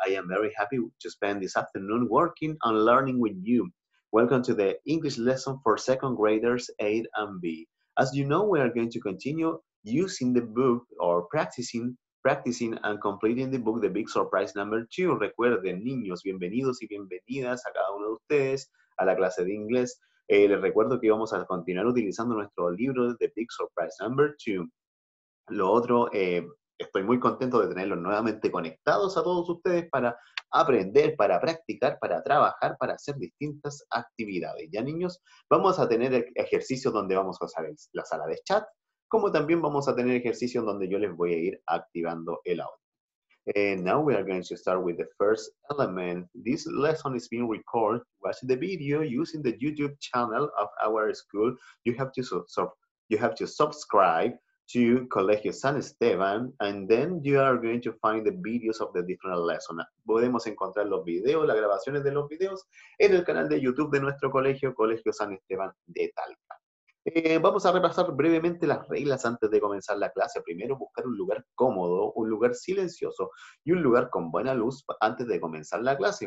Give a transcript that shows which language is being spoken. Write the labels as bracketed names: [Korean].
[English] I am very happy to spend this afternoon working and learning with you. Welcome to the English lesson for second graders A and B. As you know, we are going to continue using the book or practicing and completing the book, The Big Surprise Number 2. [Spanish] Recuerden, niños, bienvenidos y bienvenidas a cada uno de ustedes a la clase de inglés. Les recuerdo que vamos a continuar utilizando nuestro libro The Big Surprise Number 2. Lo otro, estoy muy contento de tenerlos nuevamente conectados a todos ustedes para aprender, para practicar, para trabajar, para hacer distintas actividades. Ya niños, vamos a tener ejercicios donde vamos a usar la sala de chat, como también vamos a tener ejercicios donde yo les voy a ir activando el audio. [English] And now we are going to start with the first element. This lesson is being recorded. Watch the video using the YouTube channel of our school. You have to subscribe to Colegio San Esteban, and then you are going to find the videos of the different lessons. [Spanish] Podemos encontrar los videos, las grabaciones de los videos, en el canal de YouTube de nuestro colegio, Colegio San Esteban de Talca. Vamos a repasar brevemente las reglas antes de comenzar la clase. Primero, buscar un lugar cómodo, un lugar silencioso y un lugar con buena luz antes de comenzar la clase.